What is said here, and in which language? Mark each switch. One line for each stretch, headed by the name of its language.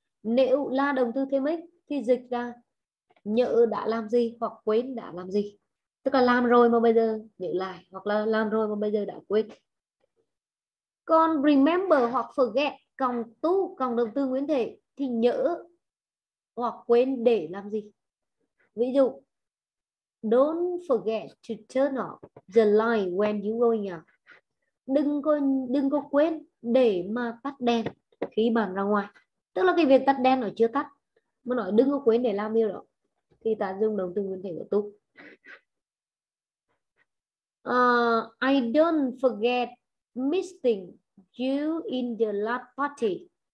Vietnamese: Nếu là động từ thêm ính thì dịch ra nhớ đã làm gì hoặc quên đã làm gì. Tức là làm rồi mà bây giờ nhớ lại hoặc là làm rồi mà bây giờ đã quên. Còn remember hoặc forget còn to còn động từ nguyên thể thì nhớ hoặc quên để làm gì. Ví dụ
English: don't forget to turn off the light when you go out.
Vietnamese: Đừng có quên để mà tắt đèn khi bạn ra ngoài. Tức là cái việc tắt đèn nó chưa tắt mà nói đừng có quên để làm điều đó thì ta dùng động từ nguyên thể của to.
English: I don't forget missing you in the last party.